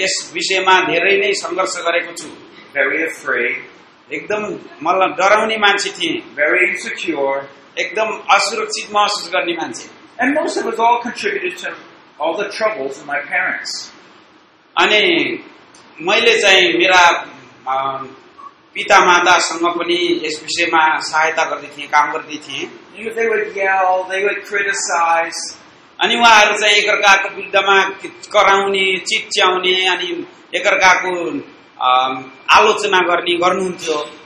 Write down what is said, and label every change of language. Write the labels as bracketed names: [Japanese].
[Nepali] यस विषयमा धेरै नै सङ्घर्ष गरेको छु. एकदम मलाई डराउने मान्छे थिएँ. एकदम असुरक्षित महसुस गर्ने मान्छे. [English] And most of it all contributed to all the troubles of my parents. [Nepali] अनि मैले चाहिँ मेरा पिता मातासँग पनि यस विषयमा सहायता गर्दै थिएँ, काम गर्दै थिएँ. अनि उहाँहरू चाहिँ एकअर्काको विरुद्धमा कराउने, चिच्याउने अनि एकअर्काको आलोचना गर्ने गर्नुहुन्थ्यो.